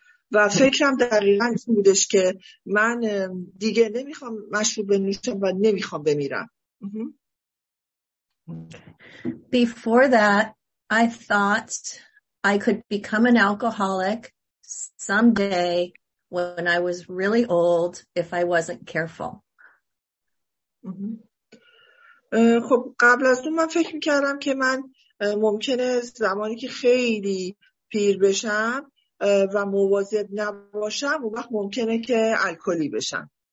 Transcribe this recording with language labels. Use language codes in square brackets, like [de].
[fa] و فکرم دقیقا این بودش که من دیگه نمیخوام مشروب بنوشم و نمیخوام بمیرم. [en] Before that, I thought I could become an alcoholic someday when I was really old if I wasn't careful. [fa] خب قبل از اون من فکر میکردم که من ممکنه زمانی که خیلی پیر بشم و مواظب نباشم و وقت ممکنه که الکلی بشم.